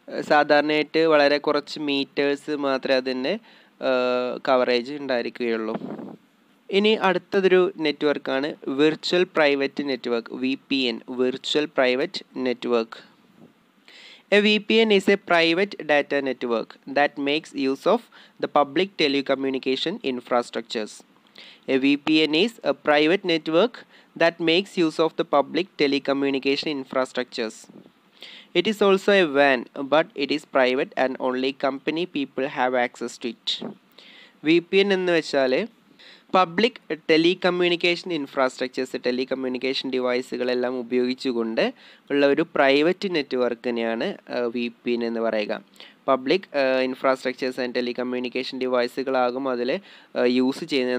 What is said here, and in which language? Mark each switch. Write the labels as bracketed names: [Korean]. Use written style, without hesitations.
[Malayalam] സാധാരണയായിട്ട് വളരെ കുറച്ച് മീറ്റേഴ്സ് മാത്രമേ അതിൻ്റെ കവറേജ് ഉണ്ടായിരിക്കുകയുള്ളൂ. ഇനി അടുത്തതൊരു നെറ്റ്വർക്കാണ് virtual private network, VPN, virtual private network. [English] A VPN is a private data network that makes use of the public telecommunication infrastructures. A VPN is a private network that makes use of the public telecommunication infrastructures. It is also a WAN, but it is private and only company people have access to it. [Malayalam] VPN ennu vechale public telecommunication infrastructures, telecommunication ഡിവൈസുകളെല്ലാം ഉപയോഗിച്ചുകൊണ്ട് ഉള്ള ഒരു private നെറ്റ്വർക്കിനെയാണ് VPN എന്ന് പറയുക. Public infrastructures and telecommunication ഡിവൈസുകളാകും അതിൽ use ചെയ്യുന്നത്.